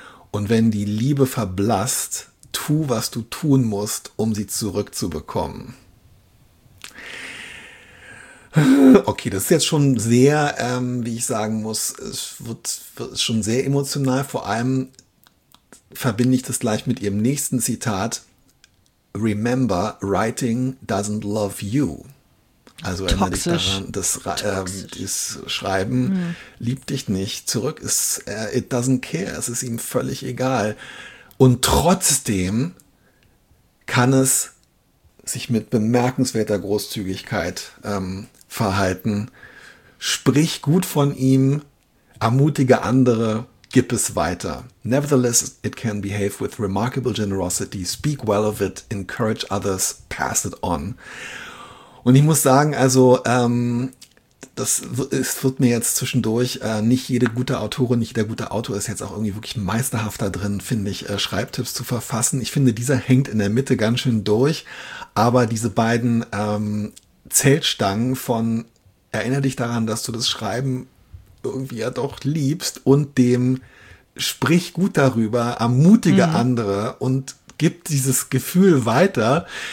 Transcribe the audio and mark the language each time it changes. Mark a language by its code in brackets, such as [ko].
[de] Und wenn die Liebe verblasst, tu, was du tun musst, um sie zurückzubekommen. Okay, das ist jetzt schon sehr, wie ich sagen muss, es wird schon sehr emotional. Vor allem verbinde ich das gleich mit ihrem nächsten Zitat. [en] Remember, writing doesn't love you. [de] Also erinnere dich daran, das Schreiben liebt dich nicht. Zurück ist, [en] it doesn't care, [de] es ist ihm völlig egal. Und trotzdem kann es sich mit bemerkenswerter Großzügigkeit verhalten. Sprich gut von ihm, ermutige andere, gib es weiter. [en] Nevertheless, it can behave with remarkable generosity. Speak well of it, encourage others, pass it on. [de] Und ich muss sagen, also es wird mir jetzt zwischendurch nicht jede gute Autorin, nicht jeder gute Autor ist jetzt auch irgendwie wirklich meisterhaft da drin, finde ich, Schreibtipps zu verfassen. Ich finde, dieser hängt in der Mitte ganz schön durch. Aber diese beiden Zeltstangen von erinnere dich daran, dass du das Schreiben irgendwie ja doch liebst und dem sprich gut darüber, ermutige andere und gib dieses Gefühl weiter.